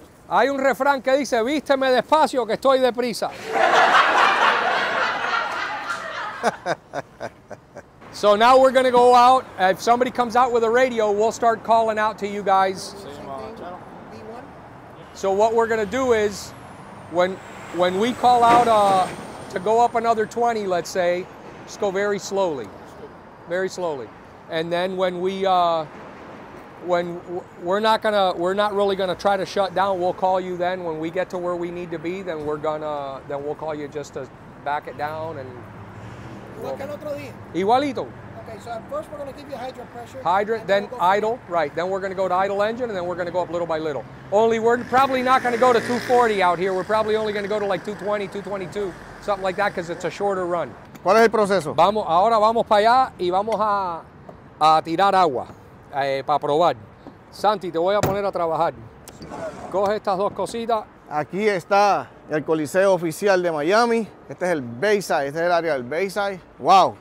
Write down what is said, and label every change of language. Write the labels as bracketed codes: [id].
[es] Hay un refrán que dice, vísteme despacio que estoy deprisa. [en] So now we're going to go out. If somebody comes out with a radio, we'll start calling out to you guys. So what we're going to do is, when we call out to go up another 20, let's say, just go very slowly. Very slowly. And then when we... We're not really gonna try to shut down. We'll call you then when we get to where we need to be. Then we'll call you just to back it down and [es] Igual que el otro día. Igualito. [en] Okay, so at first we're going to give you hydrant pressure. Hydrant, then we'll idle, right. Then we're going to go to idle engine, and then we're going to go up little by little. Only we're probably not going to go to 240 out here. We're probably only going to go to like 220, 222, something like that, because it's a shorter run. [es] ¿Cuál es el proceso? Vamos, ahora vamos para allá y vamos a tirar agua para probar. Santi, te voy a poner a trabajar. Coge estas dos cositas. Aquí está el Coliseo Oficial de Miami. Este es el Bayside, este es el área del Bayside. ¡Wow!